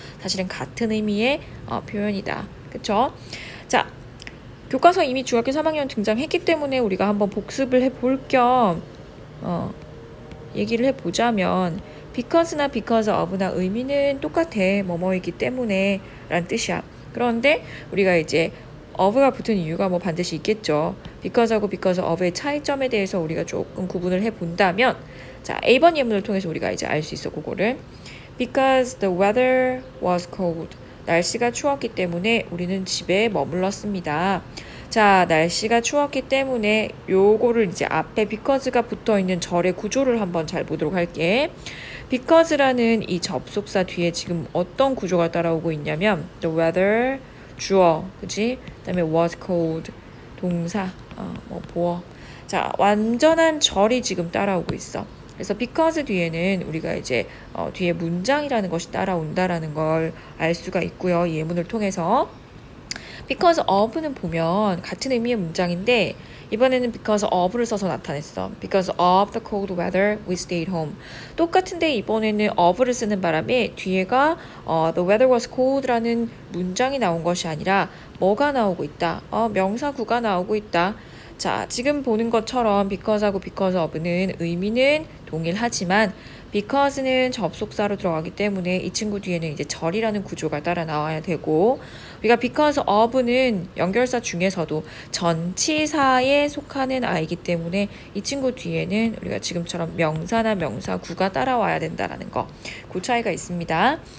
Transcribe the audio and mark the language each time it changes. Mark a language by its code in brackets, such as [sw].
[ko] 사실은 같은 의미의 표현이다. 그쵸? 자, 교과서 이미 중학교 3학년 등장했기 때문에 우리가 한번 복습을 해볼 겸 얘기를 해보자면 because나 because of나 의미는 똑같아. 뭐뭐이기 때문에 라는 뜻이야. 그런데 우리가 이제 of가 붙은 이유가 뭐 반드시 있겠죠. because하고 because of의 차이점에 대해서 우리가 조금 구분을 해본다면, 자, A번 예문을 통해서 우리가 이제 알 수 있어, 그거를. [en] because the weather was cold. [ko] 날씨가 추웠기 때문에 우리는 집에 머물렀습니다. 자, 날씨가 추웠기 때문에 요거를 이제 앞에 because가 붙어있는 절의 구조를 한번 잘 보도록 할게. because라는 이 접속사 뒤에 지금 어떤 구조가 따라오고 있냐면 the weather, 주어, 그치? 그 다음에 was cold, 동사, 보어. 자, 완전한 절이 지금 따라오고 있어. 그래서 because 뒤에는 우리가 이제 뒤에 문장이라는 것이 따라온다라는 걸 알 수가 있고요. 예문을 통해서. Because of는 보면 같은 의미의 문장인데 이번에는 because of를 써서 나타냈어. [en] Because of the cold weather, we stayed home. [ko] 똑같은데 이번에는 of를 쓰는 바람에 뒤에가 [en] the weather was cold [ko] 라는 문장이 나온 것이 아니라 뭐가 나오고 있다? 명사구가 나오고 있다. 자, 지금 보는 것처럼 because하고 because of는 의미는 동일하지만 because는 접속사로 들어가기 때문에 이 친구 뒤에는 이제 절이라는 구조가 따라 나와야 되고, 우리가 because of는 연결사 중에서도 전치사에 속하는 아이기 때문에 이 친구 뒤에는 우리가 지금처럼 명사나 명사구가 따라와야 된다라는 거, 그 차이가 있습니다.